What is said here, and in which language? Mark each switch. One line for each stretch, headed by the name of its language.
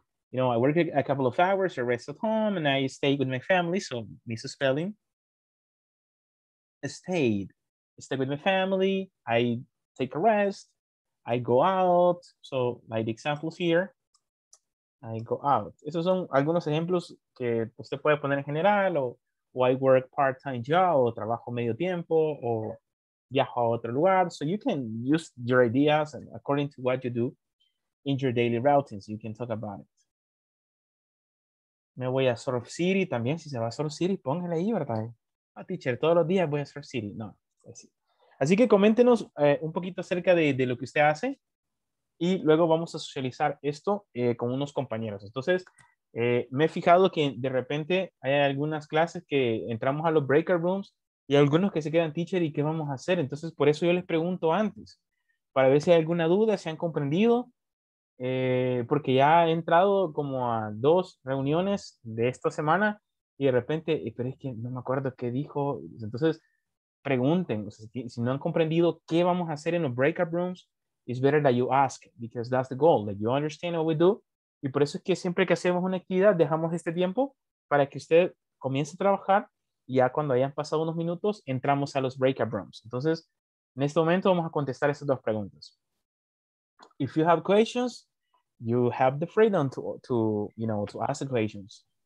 English: You know, I work a couple of hours, I rest at home and I stay with my family. So miss the spelling. I stay with my family. I take a rest. I go out. So like the examples here, I go out.
Spanish: Esos son algunos ejemplos que usted puede poner en general o
English: I work part-time job
Spanish: o trabajo medio tiempo o viajo a otro lugar.
English: So you can use your ideas and according to what you do in your daily routines, you can talk about it.
Spanish: Me voy a Surf City también. Si se va a Surf City, póngale ahí, ¿verdad? Ah, teacher, todos los días voy a Surf City. No. Así que coméntenos un poquito acerca de lo que usted hace y luego vamos a socializar esto con unos compañeros. Entonces, me he fijado que de repente hay algunas clases que entramos a los breakout rooms Y algunos que se quedan, teacher, ¿y qué vamos a hacer? Entonces, por eso yo les pregunto antes, para ver si hay alguna duda, si han comprendido, porque ya he entrado como a 2 reuniones de esta semana, y de repente, pero es que no me acuerdo qué dijo. Entonces, pregunten, o sea, si no han comprendido qué vamos a hacer en los breakout rooms,
English: it's better that you ask, because that's the goal, that you understand what we do.
Spanish: Y por eso es que siempre que hacemos una actividad, dejamos este tiempo para que usted comience a trabajar, y ya cuando hayan pasado unos minutos, entramos a los breakout rooms. Entonces, en este momento vamos a contestar esas 2 preguntas.
English: If you have questions, you have the freedom to ask the questions.